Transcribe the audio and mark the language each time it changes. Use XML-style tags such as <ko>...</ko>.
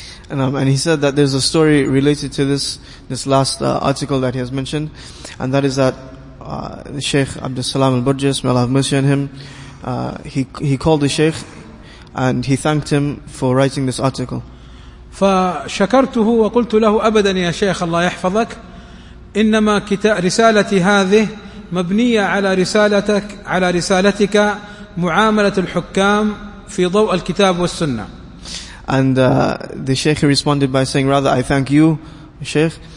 <en>And he said that there's a story related to this last article that he has mentioned, and that is that Sheikh Abd al-Salam al-Burjis, may Allah have mercy on him, he called the Sheikh and he thanked him for writing this article.</en> <ar>فشكرته وقلت له أبدا يا شيخ الله يحفظك، إنما رسالتي هذه مبنية على رسالتك معاملة الحكام في ضوء الكتاب والسنة.</ar> <en>And the Sheikh responded by saying, rather I thank you, Sheikh.</en>